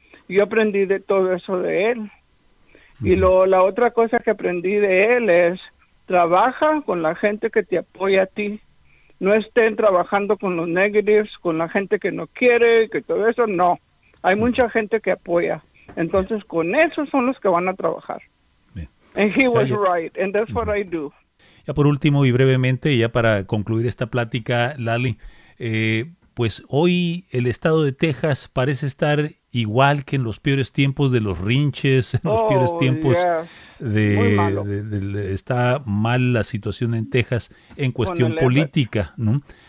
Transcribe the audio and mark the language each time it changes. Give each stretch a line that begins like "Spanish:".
Spanish: Yo aprendí de todo eso de él. Y luego la otra cosa que aprendí de él es, trabaja con la gente que te apoya a ti. No estén trabajando con los
English: negatives,
Spanish: con la gente que no quiere, que todo eso, no. Hay mucha gente que apoya. Entonces, con esos son los que van a trabajar. Bien.
English: And he was right, and that's what I do.
Spanish: Ya por último y brevemente, ya para concluir esta plática, Lali, pues hoy el estado de Texas parece estar igual que en los peores tiempos de los rinches, en los peores tiempos está mal la situación en Texas en cuestión política, ¿no?